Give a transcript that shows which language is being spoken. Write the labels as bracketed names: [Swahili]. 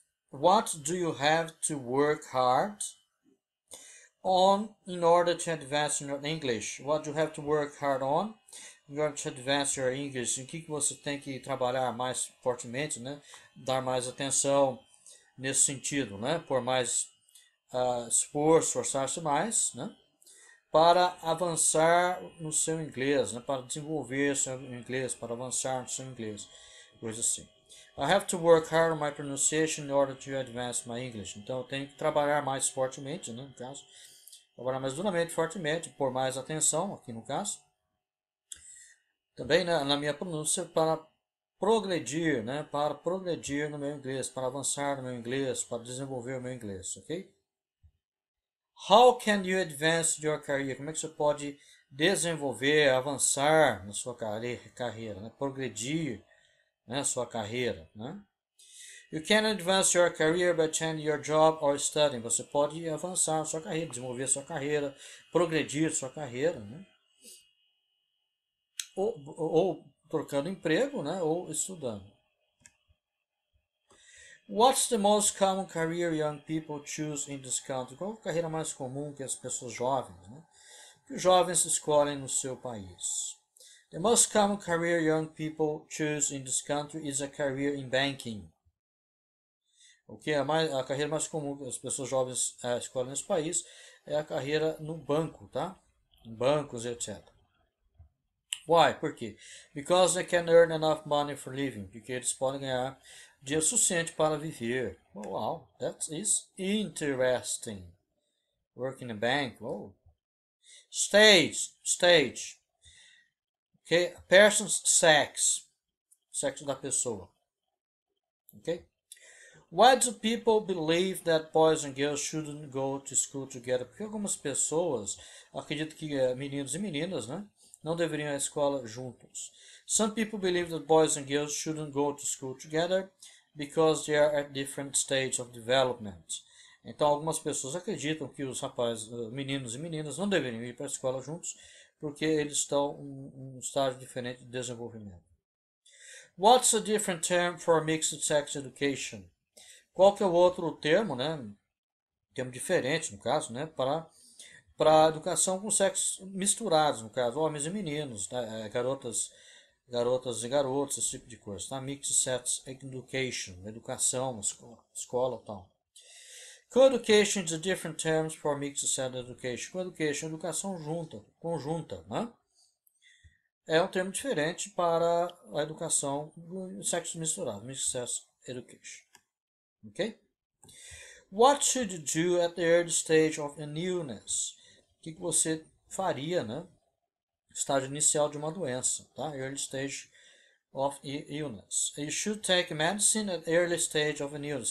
[English] What do you have to work hard on in order to advance in your English? What do you have to work hard on in order to advance your English? [Portuguese] Em que você tem que trabalhar mais fortemente, né? Dar mais atenção nesse sentido, né? Por mais esforço, forçar-se mais, né? Para avançar no seu inglês, né? Para desenvolver seu inglês, para avançar no seu inglês, coisa assim. [English] I have to work hard on my pronunciation in order to advance my English. [Portuguese] Então, eu tenho que trabalhar mais fortemente, né? No caso, trabalhar mais duramente, fortemente, pôr mais atenção, aqui no caso. Também, né, na minha pronúncia, para progredir, né? Para progredir no meu inglês, para avançar no meu inglês, para desenvolver o meu inglês, ok? [English] How can you advance your career? [Portuguese] Como é que você pode desenvolver, avançar na sua carreira, né? Progredir na, né, sua carreira, né? [English] You can advance your career by changing your job or studying. [Portuguese] Você pode avançar na sua carreira, desenvolver sua carreira, progredir sua carreira, né? Ou trocando emprego, né? Ou estudando. [English] What's the most common career young people choose in this country? [Portuguese] Qual a carreira mais comum que as pessoas jovens, né? Que os jovens escolhem no seu país? [English] The most common career young people choose in this country is a career in banking. [Portuguese] Okay, a carreira mais comum que as pessoas jovens escolhem nesse país é a carreira no banco, tá? Em bancos, etc. Why? Por quê? [English] Because they can earn enough money for living. [Portuguese] Porque eles podem ganhar dinheiro suficiente para viver. [English] Wow, that is interesting. Work in a bank. Wow. Stage. Okay. A person's sex. [Portuguese] Sexo da pessoa. [English] Okay. Why do people believe that boys and girls shouldn't go to school together? [Portuguese] Porque algumas pessoas acreditam que meninos e meninas, né, não deveriam ir à escola juntos. [English] Some people believe that boys and girls shouldn't go to school together because they are at different stages of development. [Portuguese] Então, algumas pessoas acreditam que os rapazes, meninos e meninas, não deveriam ir para a escola juntos porque eles estão em um estágio diferente de desenvolvimento. [English] What's a different term for mixed-sex education? [Portuguese] Qual que é o outro termo, né? Termo diferente, no caso, né? Para educação com sexos misturados, no caso, homens e meninos, né? Garotas e garotos, esse tipo de coisa, tá? [English] Mixed sex education, [Portuguese] educação, escola e tal. [English] Co-education is a different term for mixed sex education. [Portuguese] Co-education, educação junta, conjunta, né? É um termo diferente para a educação com sexos misturados, [English] mixed sex education. Ok? What should you do at the early stage of an illness? [Portuguese] O que você faria, né? Estágio inicial de uma doença, tá? [English] Early stage of illness. You should take medicine at early stage of an illness.